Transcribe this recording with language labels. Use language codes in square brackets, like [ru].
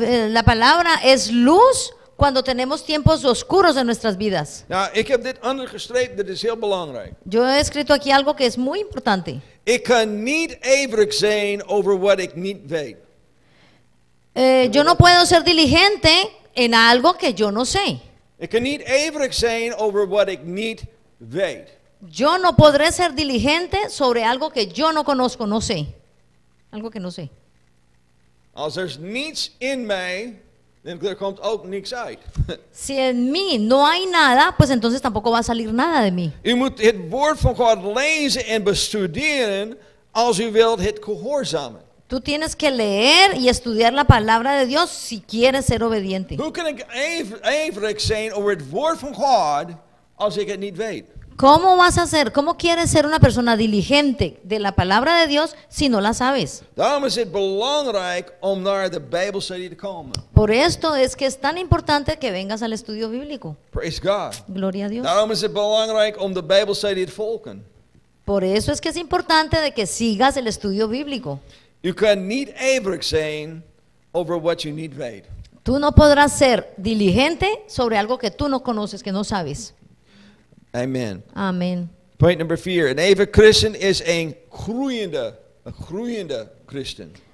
[es] La palabra es luz cuando tenemos tiempos oscuros en nuestras vidas. [nl] Nou, ik heb dit onderstreept, dit is heel belangrijk. [es] Yo he escrito aquí algo que es muy importante. [nl] Ik kan niet ijverig zijn over wat ik niet weet. [es] Yo no puedo ser diligente en algo que yo no sé. [nl] Ik kan niet ijverig zijn over wat ik niet weet. [es] Yo no podré ser diligente sobre algo que yo no conozco, no sé. Algo que no sé. [nl] Als er niets in mij, dan komt ook niets uit. [es] Si en mí no hay nada, pues entonces tampoco va a salir nada de mí. [nl] U moet het woord van God lezen en bestuderen als u wilt het gehoorzamen. [es] Tú tienes que leer y estudiar la palabra de Dios si quieres ser obediente. [nl] Hoe kan ik ijverig zijn over het woord van God als ik het niet weet? [es] ¿Cómo vas a ser? ¿Cómo quieres ser una persona diligente de la palabra de Dios si no la sabes? [nl] Daarom is het belangrijk om naar de Bible study te komen. [es] Por esto es que es tan importante que vengas al estudio bíblico. [en] Praise God. [es] Gloria a Dios. [nl] Daarom is het belangrijk om de Bible study te volgen. [es] Por eso es que es importante de que sigas el estudio bíblico. [en] You can [nl] niet ijverig zijn over what you niet weet. [es] Tú no podrás ser diligente sobre algo que tú no conoces, que no sabes. Amen. Amen. [en] Point number 4. [nl] Een ijverig christen is een groeiende christen.